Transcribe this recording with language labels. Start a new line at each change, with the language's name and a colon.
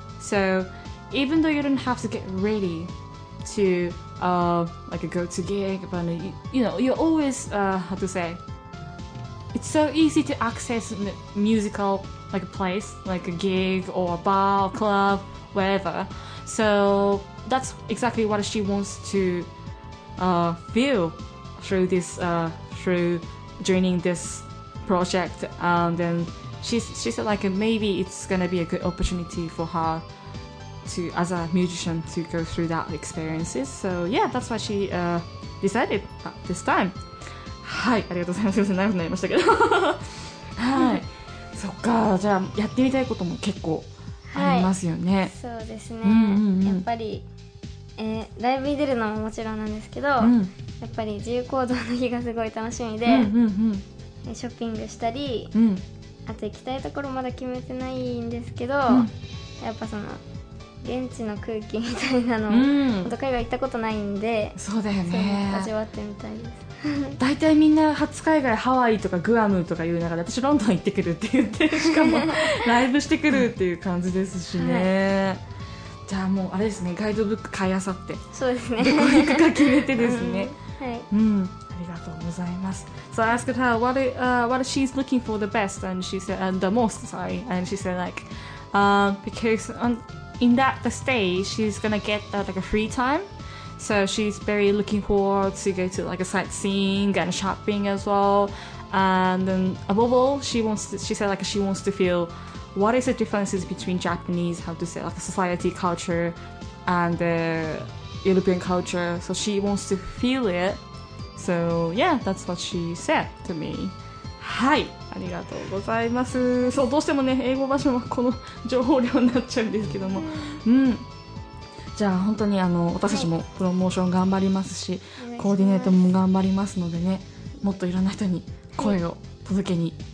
English: So even though you don't have to get readyto go to gig, but you're always it's so easy to access musical like a place like a gig or a bar or club wherever, so that's exactly what she wants to feel through this through joining this project. And then she said like maybe it's gonna be a good opportunity for herto as a musician to go through that experiences. So yeah, that's why she decided this time.
Japanese: はい、ありがとうございます。すいません、長くなりましたけどはい、そっか、じゃあやってみたいことも結構ありますよね、はい、そうですね、やっぱり、ライブに出るのももちろんなんですけど、やっぱり自由行動の日がすごい楽しみで、ショッピングしたり、あと行きたいところまだ決めてないんですけど、やっぱその現地の空気みたいなの、元海外行ったことないんで、そうだよね、味わってみたいですだいたいみんな初海外ハワイとかグアムとか言う中で、私ロンドン行ってくるって言って、しかもライブしてくるっていう感じですしね、はい、じゃあもうあれですね、ガイドブック買いあさって、そうですね、どこ行くか決めてですね、はい、ありがとうございます。
English: So I asked her what she's looking for the best and she said and the most, sorry, and she said like because onIn that the stay, she's gonna get like a free time, so she's very looking forward to go to like a sightseeing and shopping as well. And then above all, she wants to feel what is the differences between Japanese, society, culture, and European culture. So she wants to feel it. So yeah, that's what she said to me.
Japanese: はい、ありがとうございます。そう、どうしてもね、英語場所はこの情報量になっちゃうんですけども、じゃあ本当に私たちもプロモーション頑張りますし、はい、コーディネートも頑張りますのでね、もっといろんな人に声を届けに